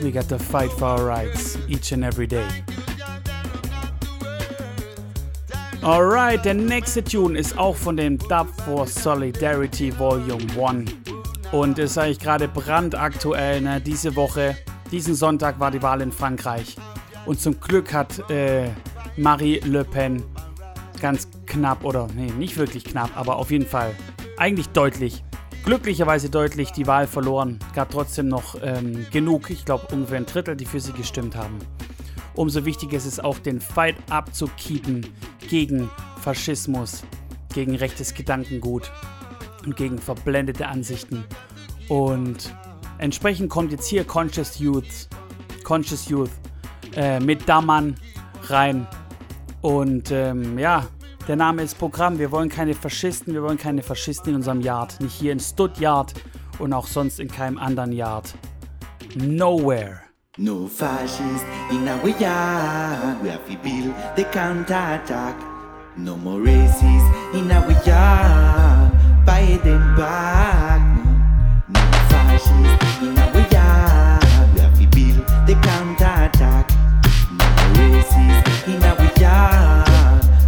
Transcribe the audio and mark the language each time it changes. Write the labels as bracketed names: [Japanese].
[English] We got to fight for our rights each and every day. [German] Alright, der nächste Tune ist auch von dem Dub for Solidarity Volume 1. Und das sage ich gerade brandaktuell, ne? Diese Woche, diesen Sonntag war die Wahl in Frankreich. Und zum Glück hat Marie Le Pen ganz knapp, oder nee, nicht wirklich knapp, aber auf jeden Fall eigentlich deutlich, glücklicherweise deutlich die Wahl verloren. Gab trotzdem noch genug, ich glaube ungefähr ein Drittel, die für sie gestimmt haben. Umso wichtiger ist es auch, den Fight abzukeepen gegen Faschismus, gegen rechtes Gedankengut und gegen verblendete Ansichten. Und entsprechend kommt jetzt hier Conscious Youth mit Damann rein. Und ja, der Name ist Programm. Wir wollen keine Faschisten, wir wollen keine Faschisten in unserem Yard. Nicht hier in Stuttgart und auch sonst in keinem anderen Yard. [English] Nowhere. No fascist in our yard. We have to build the counterattack. No more racist in our yard. Buy them back. No fascist in our yard. We have to build the counterattack. No more racist in our yard.